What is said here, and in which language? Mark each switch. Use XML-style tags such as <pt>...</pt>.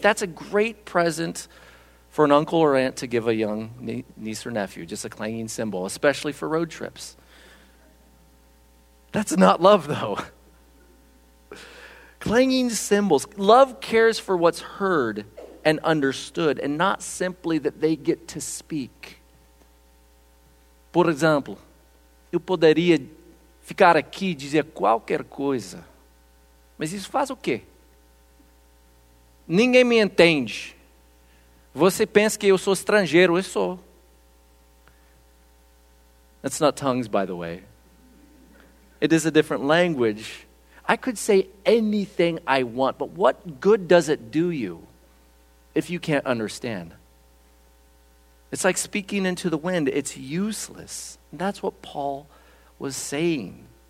<en>That's a great present for an uncle or aunt to give a young niece or nephew, just a clanging cymbal, especially for road trips. That's not love, though. Clanging cymbals. Love cares for what's heard and understood, and not simply that they get to speak.</en> <pt>Por exemplo, eu poderia ficar aqui e dizer qualquer coisa, mas isso faz o quê? Ninguém me entende. Você pensa que eu sou estrangeiro, eu sou.</pt> <en>That's not tongues, by the way. It is a different language. I could say anything I want, but what good does it do you if you can't understand? It's like speaking into the wind. It's useless. And that's what Paul was saying.</en>